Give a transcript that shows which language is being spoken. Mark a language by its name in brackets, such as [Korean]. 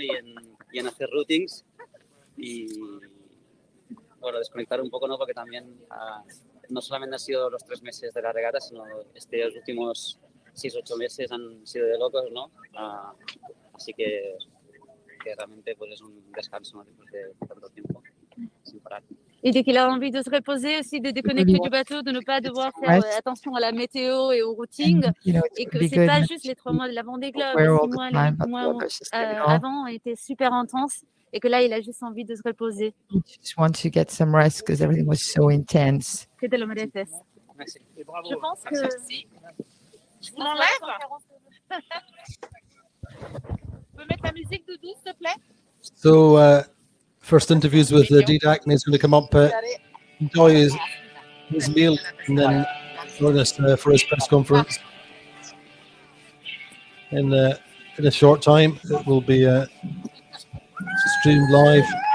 [Spanish] y en hacer routings y, bueno, desconectar un poco, ¿no? Porque también no solamente han sido los tres meses de la regata, sino estos últimos 6-8 meses han sido de locos, ¿no? Así que realmente pues, es un descanso, ¿no? Después de tanto tiempo sin parar. [French] Il dit qu'il a envie de se reposer aussi, de déconnecter du bateau, de ne pas devoir faire attention à la météo et au routing. Et que ce n'est pas juste les trois mois de la Vendée Globe. Les six mois avant étaient super intenses. Et que là, il a juste envie de se reposer. [English] Il just wants to get some rest because everything was so intense. [French] Que de l'homme des fesses. Je pense que. Je vous l'enlève. Tu peux mettre la musique doudou, s'il te plaît? [English] So. First interviews with Didac, and he's going to come up, enjoy his meal, and then join us for his press conference. In a short time, it will be streamed live.